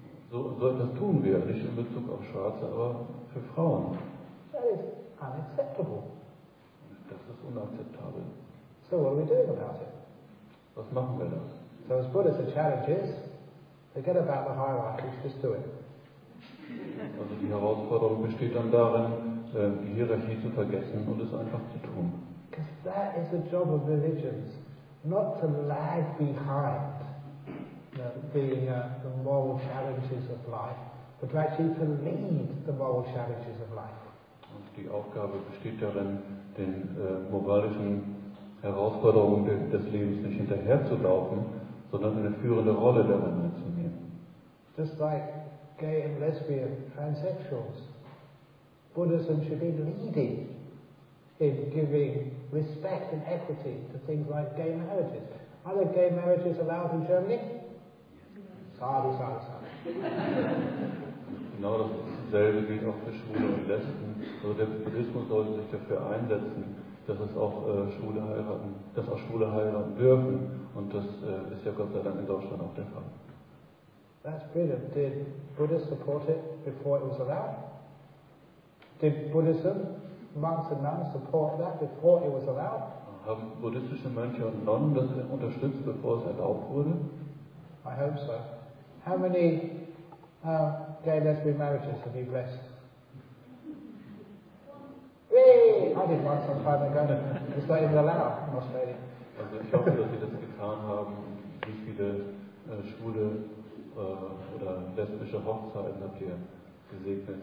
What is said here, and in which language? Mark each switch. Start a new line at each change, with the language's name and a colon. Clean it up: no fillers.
German: So etwas tun wir, nicht in Bezug auf Schwarze, aber für Frauen.
English: That is unacceptable.
German: Das ist unakzeptabel.
English: So what are we doing about it?
German: Was machen wir da?
English: So as Buddhist, the challenge is, forget about the hierarchies, just do it.
German: Also die Herausforderung besteht dann darin, die Hierarchie zu vergessen und es einfach zu tun.
English: Because that is the job of religions, not to lag behind the moral challenges of life, but to actually to lead the moral challenges of life.
German: Und die Aufgabe besteht darin, den moralischen Herausforderungen des Lebens nicht hinterherzulaufen, sondern eine führende Rolle darin einzunehmen.
English: Just like gay and lesbian transsexuals. Buddhism should be leading in giving respect and equity to things like gay marriages. Are there gay marriages allowed in Germany? Sorry, sorry, sorry.
German: Genau dasselbe gilt auch für Schwule und Lesben. Also der Buddhismus sollte sich dafür einsetzen, dass es auch Schwule heiraten, dass auch Schwule heiraten dürfen. Und das ist ja Gott sei Dank in Deutschland auch der Fall.
English: That's brilliant. Did Buddhists support it before it was allowed? Did Buddhism, monks and nuns, support that before it was allowed?
German: Haben buddhistische Mönche und Nonnen das unterstützt, bevor es erlaubt wurde?
English: I hope so. How many gay lesbian marriages have you blessed? Yay! I did one some time ago. It's not even allowed in Australia.
German: Also ich hoffe, dass sie das getan haben. Wie viele schwule oder lesbische Hochzeiten habt ihr gesegnet?